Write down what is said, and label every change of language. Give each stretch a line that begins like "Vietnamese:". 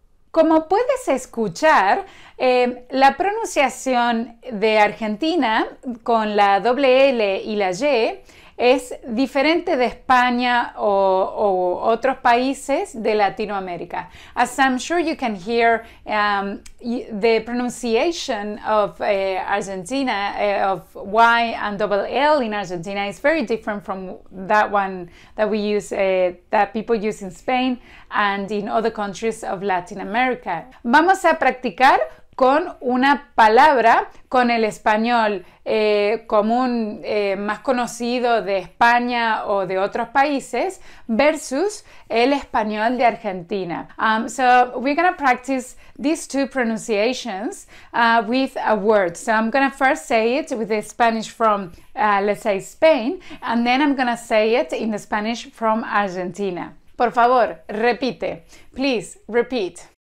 Spanish: Como puedes escuchar, la pronunciación de Argentina con la doble L y la Y es diferente de España o otros países de Latinoamérica.
English: As I'm sure you can hear, the pronunciation of Argentina, of Y and double L in Argentina is very different from that one that we use, that people use in Spain and in other countries of Latin America.
Spanish: Vamos a practicar con una palabra con el español común más conocido de España o de otros países versus el español de Argentina.
English: So we're gonna practice these two pronunciations with a word. So I'm gonna first say it with the Spanish from, let's say, Spain, and then I'm gonna say it in the Spanish from Argentina.
Spanish: Por favor, repite.
English: Please, repeat.